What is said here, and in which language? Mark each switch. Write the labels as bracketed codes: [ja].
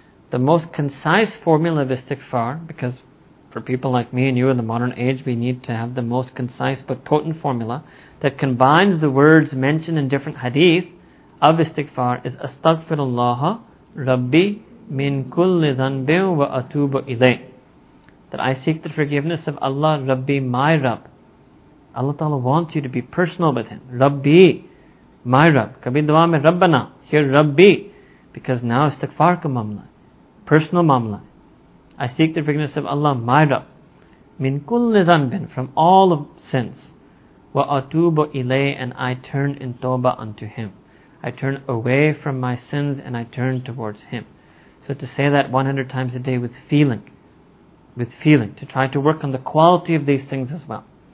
[en] The most concise formula of istighfar, because for people like me and you in the modern age, we need to have the most concise but potent formula that combines the words mentioned in different hadith of istighfar, is [ar] astaghfirullah rabbi min kulli dhanbin wa atubu ilayh. [en] That I seek the forgiveness of Allah, Rabbi, my Rabb. Allah Ta'ala wants you to be personal with Him. Rabbi, my Rabb. [ur] کبھی دعا میں ربنا، here ربی. [en] Because now [ur] استغفار کا معاملہ، personal معاملہ. [en] I seek the forgiveness of Allah, my Rabb. Min kulli dhanbin, from all of sins. Wa atubu ilayh, and I turn in tawbah unto Him. I turn away from my sins and I turn towards Him. So to say that 100 times a day with feeling, to try to work on the quality of these things as well.